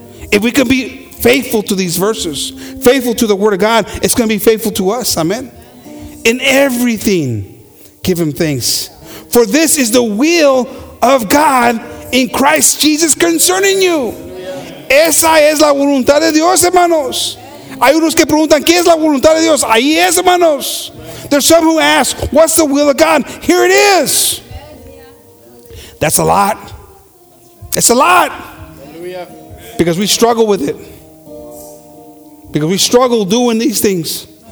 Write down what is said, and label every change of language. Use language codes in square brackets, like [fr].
[en] If we can be faithful to these verses, faithful to the Word of God, it's going to be faithful to us. Amen. In everything, give Him thanks. For this is the will of God in Christ Jesus concerning you. [es] Esa es la voluntad de Dios, hermanos. Hay unos que preguntan, ¿qué es la voluntad de Dios? Ahí es, hermanos. [en] There's some who ask, what's the will of God? Here it is. That's a lot. It's a lot. Because we struggle with it. Because we struggle doing these things.